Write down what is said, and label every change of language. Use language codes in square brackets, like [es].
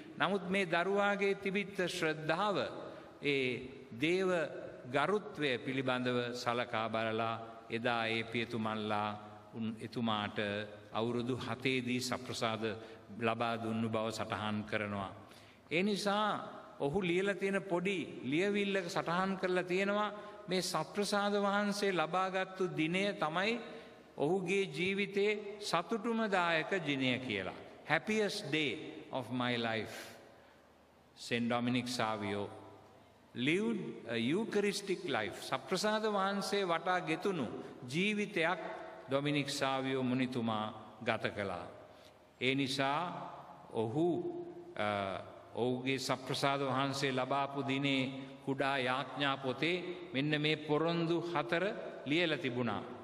[si] නමුත් මේ දරුවාගේ තිබිත් ශ්‍රද්ධාව ඒ දේව ගරුත්වය පිළිබඳව සලකා බලලා එදා ඒ පියතුමන්ලා එතුමාට අවුරුදු 7 සත්ප්‍රසාද ලබා දුන්නු බව සටහන් කරනවා. ඒ නිසා ඔහු ලියලා තියෙන පොඩි ලියවිල්ලක සටහන් කරලා තියෙනවා මේ සත්ප්‍රසාද වහන්සේ ලබාගත්තු දිනය තමයි ඔහුගේ ජීවිතේ සතුටුම දායක දිනය කියලා. [en] Happiest day of my life, St. Dominic Savio lived a Eucharistic life. [si] සත්ප්‍රසාද වහන්සේ වටා ගෙතුණු ජීවිතයක් ඩොමිනික් සාවියෝ මුනිතුමා ගත කළා. ඒ නිසා ඔහු ඔහුගේ සත්ප්‍රසාද වහන්සේ ලබාපු දිනේ කුඩා යාඥා පොතේ මෙන්න මේ පොරොන්දු 4 ලියලා තිබුණා.